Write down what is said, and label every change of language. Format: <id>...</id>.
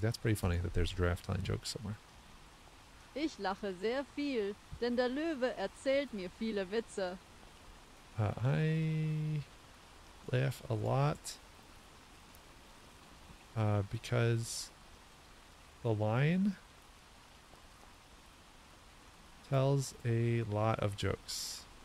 <en>That's pretty funny that there's a giraffe telling jokes somewhere.</en> <de>Ich lache sehr viel, denn der Löwe erzählt mir viele Witze.</de> <en>I laugh a lot because the lion tells a lot of jokes.</en>